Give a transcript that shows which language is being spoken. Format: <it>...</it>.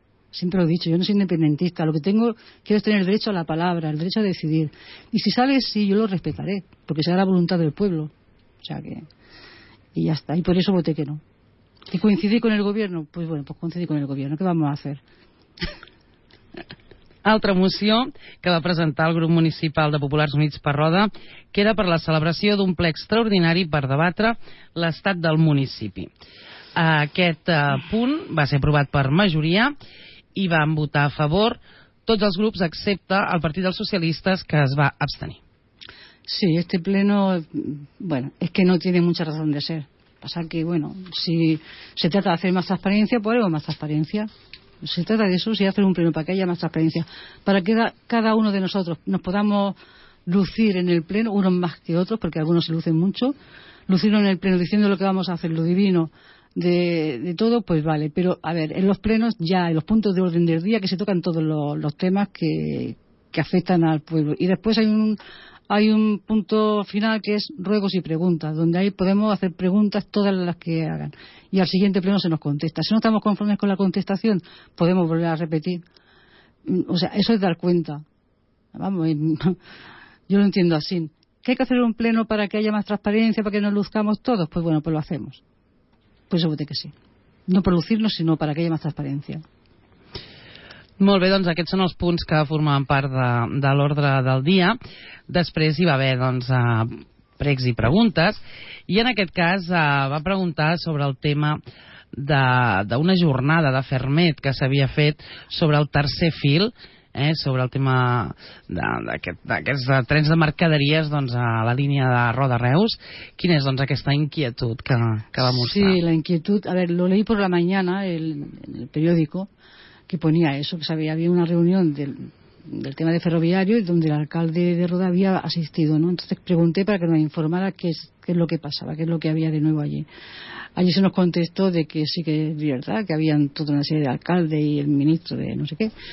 <es>Siempre lo he dicho, yo no soy independentista. Lo que tengo, quiero es tener el derecho a la palabra, el derecho a decidir. Y si sale, sí, yo lo respetaré, porque será la voluntad del pueblo. O sea que... Y ya está. Y por eso voté que no. ¿Y coincidí con el gobierno? Pues bueno, pues coincidí con el gobierno. ¿Qué vamos a hacer?</es> <ca>Altra moció que va presentar el grup municipal de Populars Units per Roda, que era per la celebració d'un ple extraordinari per debatre l'estat del municipi. Aquest punt va ser aprovat per majoria i van votar a favor tots els grups excepte el Partit dels Socialistes, que es va abstenir.</ca> <es>Sí, este pleno, bueno, es que no tiene mucha razón de ser. Pasa que, bueno, si se trata de hacer más transparencia, pues haremos más transparencia. Se trata de eso, si hacer un pleno para que haya más transparencia. Para que cada uno de nosotros nos podamos lucir en el pleno, unos más que otros, porque algunos se lucen mucho, lucirnos en el pleno diciendo lo que vamos a hacer, lo divino. De todo, pues vale, pero a ver, en los plenos ya, en los puntos de orden del día que se tocan todos los temas que afectan al pueblo. Y después hay un punto final que es ruegos y preguntas, donde ahí podemos hacer preguntas todas las que hagan. Y al siguiente pleno se nos contesta. Si no estamos conformes con la contestación, podemos volver a repetir. O sea, eso es dar cuenta. Vamos, yo lo entiendo así. ¿Qué hay que hacer un pleno para que haya más transparencia, para que nos luzcamos todos? Pues bueno, pues lo hacemos. Pues voté que sí. No producirnos,</es> <ca>sinó per aquella més transparència. Molt bé, doncs aquests són els punts que formaven part de l'ordre del dia. Després hi va haver, doncs, precs i preguntes. I en aquest cas va preguntar sobre el tema d'una jornada de Fermet que s'havia fet sobre el tercer fil, sobre el tema d'aquests trens de mercaderies, doncs, a la línia de Roda-Reus. Quina és, doncs, aquesta inquietud que va mostrar? Sí, la inquietud.</ca> <es>A ver, lo leí por la mañana en el periódico, que ponía eso, que sabía, había una reunión del tema de ferroviario donde el alcalde de Roda había asistido, ¿no? Entonces pregunté para que nos informara qué es lo que pasaba, qué es lo que había de nuevo allí. Allí se nos contestó de que sí que es verdad, que habían toda una serie de alcaldes y el ministro de no sé qué.</es>